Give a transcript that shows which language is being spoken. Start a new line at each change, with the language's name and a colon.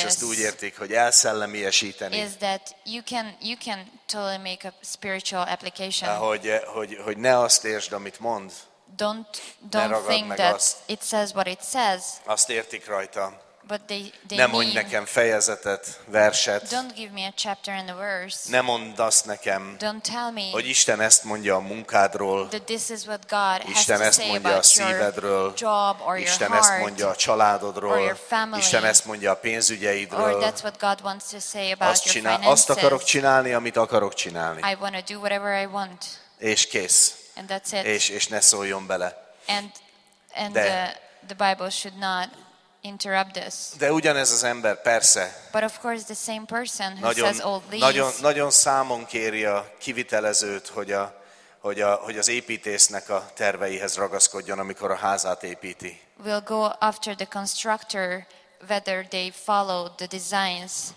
Hungarian: és azt úgy értik, hogy elszellemiesíteni.
English: Is that you can totally make a spiritual application.
Hungarian: Hogy ne azt értsd, amit mond.
English: Don't think that
Hungarian: azt.
English: It says what it says.
Hungarian: Azt értik rajta.
English: But they
Hungarian: nem mondj nekem fejezetet, verset.
English: Don't give me a chapter and a verse.
Hungarian: Nem mondd azt nekem.
English: Don't tell me.
Hungarian: Hogy Isten ezt mondja a munkádról.
English: That this is what God has
Hungarian: Isten
English: to
Hungarian: ezt mondja
English: say about
Hungarian: a szívedről.
English: Your job or
Hungarian: Isten
English: your heart,
Hungarian: ezt mondja a családodról.
English: Or your family,
Hungarian: Isten ezt mondja a pénzügyeidről.
English: Or that's what God wants to say about
Hungarian: azt
English: your finances.
Hungarian: Azt akarok csinálni, amit akarok csinálni.
English: I want to do whatever I want.
Hungarian: És kész.
English: And that's it.
Hungarian: És ne szóljon bele.
English: And the Bible should not interrupt this.
Hungarian: De ugyanez az ember, persze.
English: But of course the same person who
Hungarian: nagyon,
English: says all these.
Hungarian: Nagyon számon kéri a kivitelezőt, hogy az építésznek a terveihez ragaszkodjon, amikor a házát építi.
English: We'll go after the constructor whether they follow the designs.